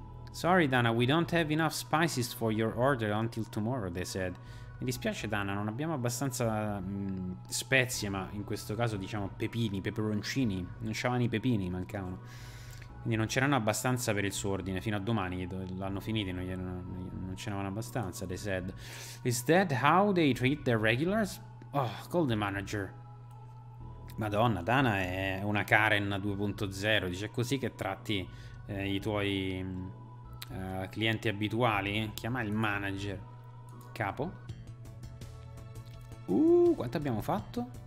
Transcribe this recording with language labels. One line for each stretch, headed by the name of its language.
English: Sorry, Dana, we don't have enough spices for your order until tomorrow, they said.
Italian: Mi dispiace, Dana, non abbiamo abbastanza spezie, ma in questo caso, diciamo, pepini, peperoncini. Non c'erano i pepini, mancavano. Quindi non c'erano abbastanza per il suo ordine. Fino a domani l'hanno finito, non c'erano abbastanza,
English: they said. Is that how they treat their regulars? Oh, call the manager.
Italian: Madonna, Dana è una Karen 2.0, dice così che tratti i tuoi clienti abituali? Chiama il manager. Capo? Quanto abbiamo fatto?